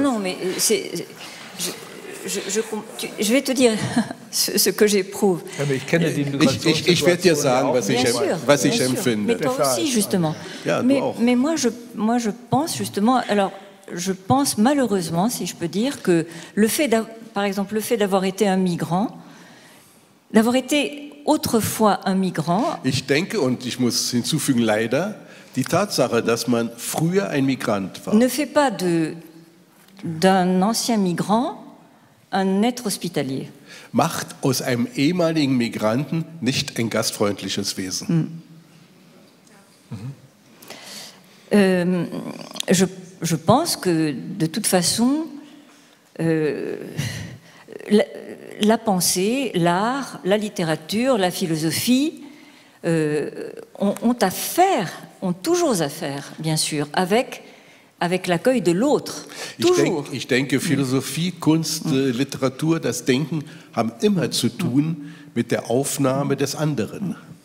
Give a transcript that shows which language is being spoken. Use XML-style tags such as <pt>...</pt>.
<fr>Non, mais c'est, je vais te dire ce que j'éprouve.</fr> <de>Ich werde dir sagen, was ich empfinde.</de> <fr>Mais toi aussi, justement.</fr> <de>Ja,</de> <fr>mais moi je pense justement. Alors, je pense malheureusement, si je peux dire, que le fait, par exemple, le fait d'avoir été un migrant, d'avoir été autrefois un migrant.</fr> <de>Ich denke und ich muss hinzufügen leider die Tatsache, dass man früher ein Migrant war.</de> <fr>Ne fait pas d'un ancien migrant un être hospitalier.</fr> <de>Macht aus einem ehemaligen Migranten nicht ein gastfreundliches Wesen.</de> <fr>Je pense que de toute façon la pensée, l'art, la littérature, la philosophie ont affaire, ont toujours affaire, bien sûr, avec l'accueil de l'autre.</fr> <de>Ich denke, Philosophie, Kunst, Literatur, das Denken haben immer zu tun mit der Aufnahme des anderen.</de>